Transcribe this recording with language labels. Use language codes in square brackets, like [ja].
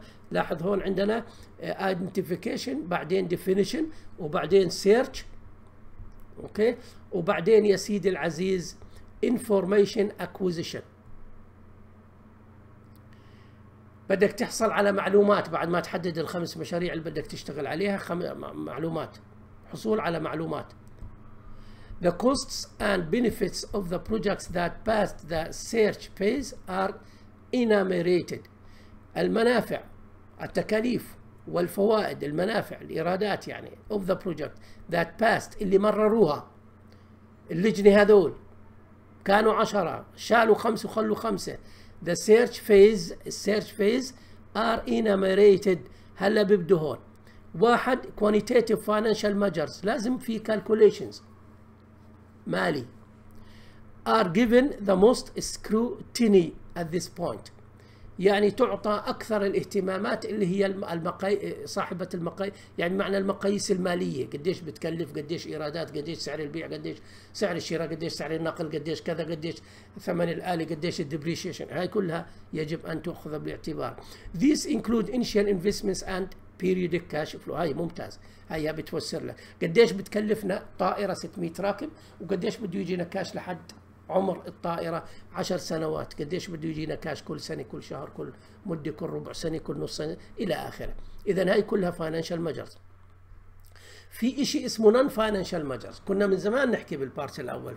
[ar] لاحظ هون عندنا ايدنتيفيكيشن، بعدين ديفينيشن، وبعدين سيرش، اوكي، وبعدين يا سيدي العزيز انفورميشن اكويزيشن. بدك تحصل على معلومات بعد ما تحدد الخمس مشاريع اللي بدك تشتغل عليها، معلومات، حصول على معلومات. [en] The costs and benefits of the projects that passed the search phase are enumerated. [ar] المنافع، التكاليف والفوائد، المنافع، الإيرادات يعني، [en] of the project that passed، [ar] اللي مرروها اللجنة هذول، كانوا 10 شالوا 5 وخلوا 5. [en] The search phase، السيرش phase are enumerated. [ar] هلا بيبدو هون. واحد [en] quantitative financial measures، [ar] لازم في calculations مالي. [en] are given the most scrutiny at this point، [ar] يعني تعطى أكثر الاهتمامات اللي هي صاحبة المقاييس، يعني معنى المقاييس المالية، قديش بتكلف، قديش إيرادات، قديش سعر البيع، قديش سعر الشراء، قديش سعر النقل، قديش كذا، قديش ثمن الآلي، قديش الديبريشيشن، هاي كلها يجب أن تأخذ بالاعتبار. [en] These include initial investments and periodic cash flow. [ar] هاي ممتاز، هاي بتوسر لك قديش بتكلفنا طائرة 600 راكب، وقديش بده يجينا كاش لحد عمر الطائرة 10 سنوات، قديش بده يجينا كاش كل سنة، كل شهر، كل مدة، كل ربع سنة، كل نص سنة، إلى آخره. إذا هاي كلها financial measures. في إشي اسمه non-financial measures، كنا من زمان نحكي بالبارت الأول.